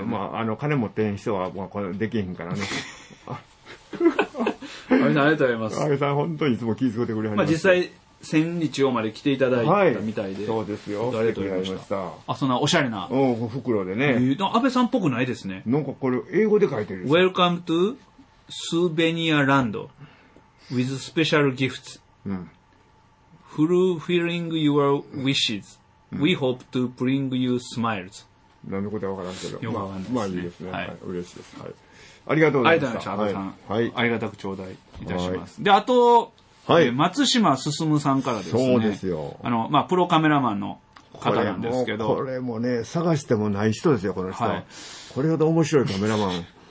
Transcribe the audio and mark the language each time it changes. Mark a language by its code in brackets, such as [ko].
[ja] はい、まあ、あの、金持ってん人は、まあ、これできへんからね。安倍さん、ありがとうございます。安倍さん、本当にいつも気づいてくれはりました。まあ、実際、千日用まで来ていただいたみたいで。はい、そうですよ。ありがとうございました。あ、そんなおしゃれな。うん、袋でね。安倍さんっぽくないですね。なんかこれ、英語で書いてるんですよ。 [en] Welcome to Souvenir Land with special gifts. Fulfilling your wishes. We hope to bring you smiles. [ja] 何のことは分からんけど。よく分かんないですね。まあいいですね。はい、嬉しいです。はい、ありがとうございました。ありがとうございました。安倍さん、はい。ありがたく頂戴いたします。はい、で、あと、はい、松島進さんからですね。そうですよ。あの、まあ、プロカメラマンの方なんですけど。これもね、探してもない人ですよ、この人。はい、これほど面白いカメラマン。